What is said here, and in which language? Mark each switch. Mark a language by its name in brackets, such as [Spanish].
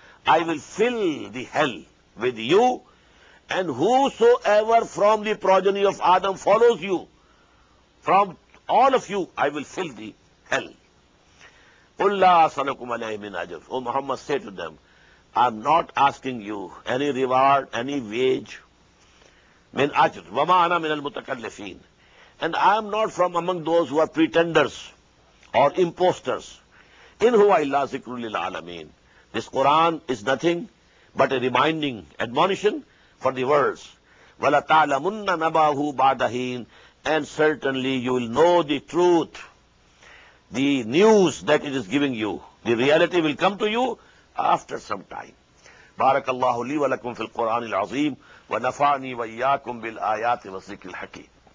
[English] I will fill the hell with you and whosoever from the progeny of Adam follows you, from all of you, I will fill the hell. [Arabic] قُلْ لَا أَسْأَلُكُمْ عَلَيْهِ مِنْ أَجْرٍ. [English] O Muhammad, say to them, I am not asking you any reward, any wage, [Arabic] من أجر وما أنا من المتكلفين. [English] And I am not from among those who are pretenders or imposters. [Arabic] إن هو إلا ذكر للعالمين. [English] This Quran is nothing but a reminding admonition for the worlds. [Arabic] وَلَتَعْلَمُنَّ نَبَاهُ بَعْدَهِينَ. [English] And certainly you will know the truth, the news that it is giving you. The reality will come to you after some time. [Arabic] بارك الله لي ولكم في القرآن العظيم ونفعني وإياكم بالآيات والذكر الحكيم.